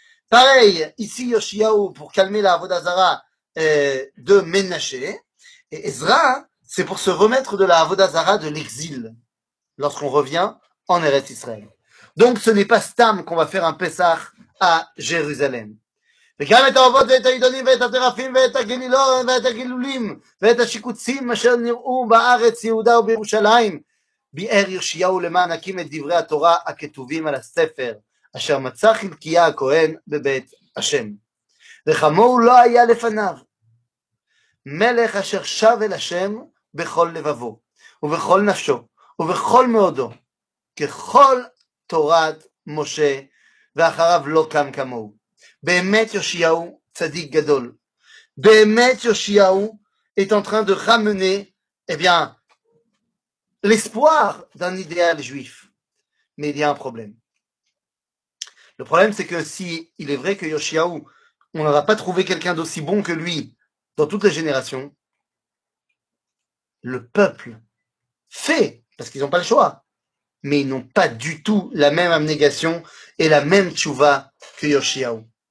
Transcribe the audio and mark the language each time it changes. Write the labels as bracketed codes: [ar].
[fr] Pareil, ici Yoshiyahou, pour calmer la Avodah Zara de Menaché. Et Ezra, c'est pour se remettre de la Avodah Zara de l'exil, lorsqu'on revient en Eretz Israël. Donc ce n'est pas Stam qu'on va faire un Pessah à Jérusalem. [he] וגם את האבות ואת העידונים ואת הטרפים ואת הגלילות ואת הגילולים ואת השיקוצים אשר נראו בארץ יהודה ובירושלים ביאר יושיהו למען הקים את דברי התורה הכתובים על הספר אשר מצא חלקיה הכהן בבית השם וכמוהו לא היה לפניו מלך אשר שב אל השם בכל לבבו ובכל נפשו ובכל מאודו ככל תורת משה ואחריו לא קם כמוהו. Behemet Yoshiyahu, tzadik gadol. [fr] Behemet Yoshiyahu est en train de ramener, l'espoir d'un idéal juif. Mais il y a un problème. Le problème, c'est que si il est vrai que Yoshiyahu, on n'aura pas trouvé quelqu'un d'aussi bon que lui dans toutes les générations, le peuple fait, parce qu'ils n'ont pas le choix, mais ils n'ont pas du tout la même abnégation et la même tshuva que Yoshiyahu.